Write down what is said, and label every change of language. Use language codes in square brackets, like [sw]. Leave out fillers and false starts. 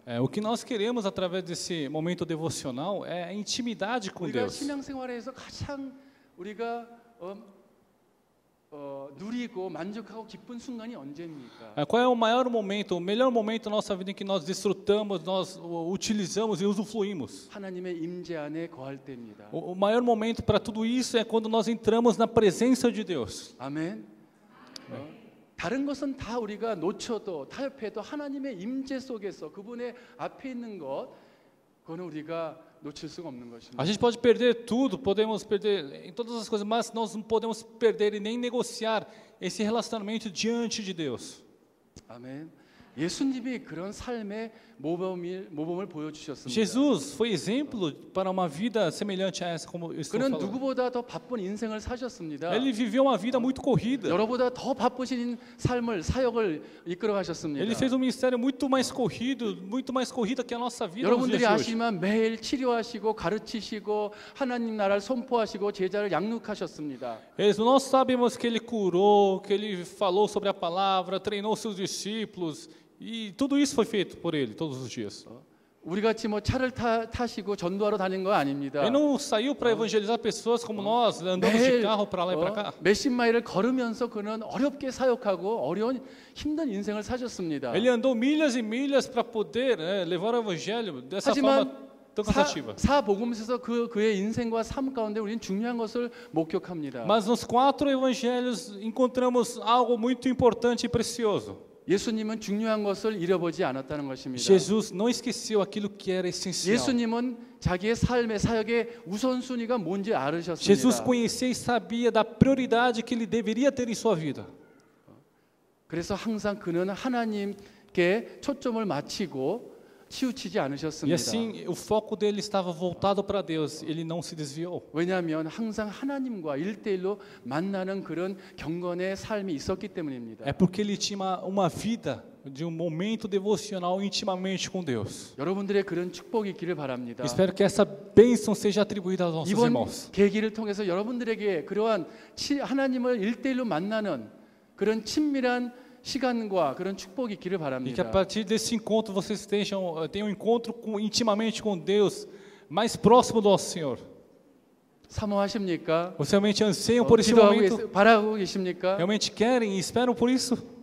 [pt] É, o que nós queremos através desse momento devocional é a intimidade com Deus. [ko] 우리가 신앙생활에서 가장 우리가 누리고 만족하고 기쁜 순간이 언제입니까? [pt] Qual é o maior momento, o melhor momento da nossa vida em que nós desfrutamos, nós utilizamos e usufruímos? [ko] 하나님의 임재 안에 거할 때입니다. [pt] O maior momento para tudo isso é quando nós entramos na presença de Deus. [ko] 아멘. 다른 것은 다 우리가 놓쳐도 타협해도 하나님의 임재 속에서 그분의 앞에 있는 것 그거는 우리가 놓칠 수가 없는 것입니다. [pt] A gente pode perder tudo, podemos perder em todas as coisas, mas nós não podemos perder e nem negociar esse relacionamento diante de Deus. [ko] 아멘. 예수님이 그런 삶의 모범을 보여주셨습니다. [pt] Jesus foi exemplo para uma vida semelhante a essa como estou falando. [ko] 그는 누구보다 더 바쁜 인생을 사셨습니다. [pt] Ele viveu uma vida muito corrida. [ko] 여러보다 더 바쁘신 삶을 사역을 이끌어 가셨습니다. [pt] Ele fez um ministério muito mais corrido que a nossa vida. [ko] 여러분들이 아시지만 매일 치료하시고 가르치시고 하나님 나라를 선포하시고 제자를 양육하셨습니다. [pt] Nós sabemos que ele curou, que ele falou sobre a palavra, treinou seus discípulos. E tudo isso foi feito por ele todos os dias. [ko] 우리 같이 뭐 차를 타시고 전도하러 다닌 거 아닙니다. [pt] Ele não saiu para evangelizar pessoas como nós, andando de carro para lá e para cá. [ko] 몇십 마일을 걸으면서 그는 어렵게 사역하고 어려운 힘든 인생을 사셨습니다. [pt] Ele andou milhas e milhas para poder levar o evangelho dessa forma tão cansativa. [ko] 사 복음서에서 그의 인생과 삶 가운데 우리는 중요한 것을 목격합니다. [pt] Mas nos quatro evangelhos encontramos algo muito importante e precioso. [ko] 예수님은 중요한 것을 잃어버리지 않았다는 것입니다. [pt] Jesus não esqueceu aquilo que era essencial. [ko] 예수님은 자기의 삶의 사역의 우선순위가 뭔지 알으셨습니다. [pt] Jesus conhecia e sabia da prioridade que ele deveria ter em sua vida. [ko] 그래서 항상 그는 하나님께 초점을 맞추고 치우치지 않으셨습니다. [pt] E assim, o foco dele estava voltado para Deus. Ele não se desviou. [ko] 왜냐하면 항상 하나님과 일대일로 만나는 그런 경건의 삶이 있었기 때문입니다. [pt] É porque ele tinha uma vida de um momento devocional intimamente com Deus. [ko] 여러분들의 그런 축복이 있기를 바랍니다. [pt] Espero que essa bênção seja atribuída aos nossos irmãos. [ko] 이번 계기를 통해서 여러분들에게 그러한 하나님을 일대일로 만나는 그런 친밀한 시간과 그런 축복이 있기를 바랍니다. [pt] E que a partir desse encontro vocês tenham um encontro intimamente com Deus, mais próximo do nosso Senhor. [ko] 사모하십니까? [pt] Vocês realmente anseiam por esse momento? [ko] 바라고 계십니까? [pt] Realmente querem e esperam por isso?